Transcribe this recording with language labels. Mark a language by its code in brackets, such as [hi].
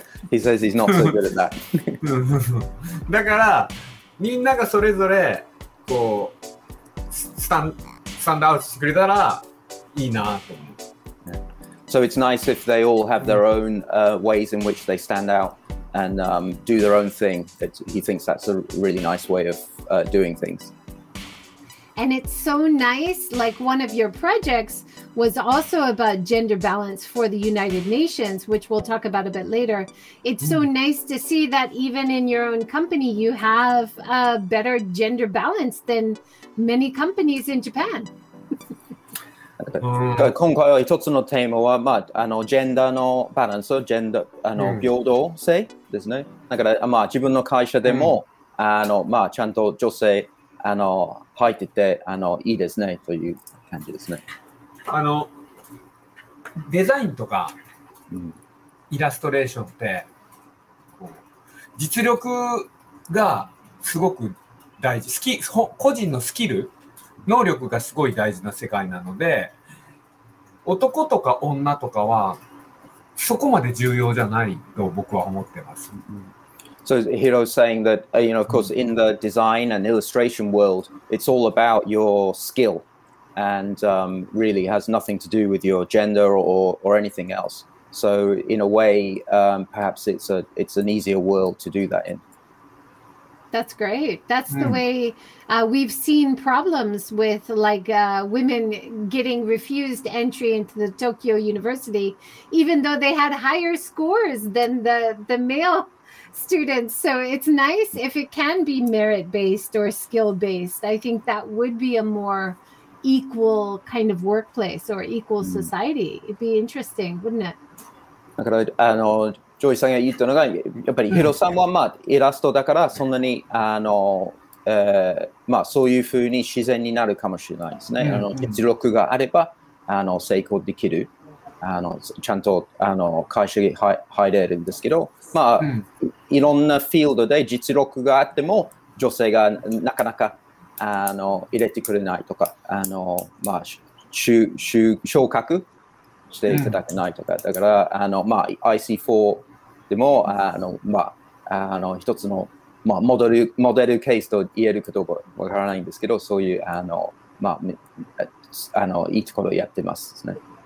[en] He says he's not so good at that. [ja] だから、みんながそれぞれこうスタンドアウトしてくれたらいいなと思う。 [en] So it's nice if they all have their own ways in which they stand out and do their own thing. He thinks that's a really nice way of doing things. And it's so nice, like one of your projects was also about gender balance for the United Nations, which we'll talk about a bit later. It's so nice to see that even in your own company, you have a better gender balance than many companies in Japan. [ja] うん、今回は一つのテーマは、まあ、ジェンダーのバランス、ジェンダー、平等性ですね。だから、まあ、自分の会社でも、まあ、ちゃんと女性、入ってて、いいですねという感じですね。デザインとか、イラストレーションって、実力がすごく大事、個人のスキル、能力がすごい大事な世界なので、男とか女とかはそこまで重要じゃないと僕は思ってます。 [en] So Hiro's saying that, of course, in the design and illustration world, it's all about your skill and really has nothing to do with your gender or anything else. So in a way, perhaps it's an easier world to do that in. That's great. That's the way we've seen problems with like women getting refused entry into the Tokyo University, even though they had higher scores than the male students. So it's nice if it can be merit-based or skill-based. I think that would be a more equal kind of workplace or equal society. It'd be interesting, wouldn't it? Okay, [ja] ジョイさんが言ったのが、やっぱりヒロさんは、まあ、イラストだから、そんなに、あの、まあ、そういうふうに自然になるかもしれないですね。あの、実力があれば、あの、成功できる。あの、ちゃんと、あの、会社に入れるんですけど、まあ、いろんなフィールドで実力があっても、女性がなかなか、あの、入れてくれないとか、あの、まあ、昇格していただけないとか、だから、あの、まあ、IC4 でも、あの、まあ、あの、一つの、まあ、モデルケースと言えるかどうかわからないんですけど、そういう、あの、まあ、あの、いいところをやってますね。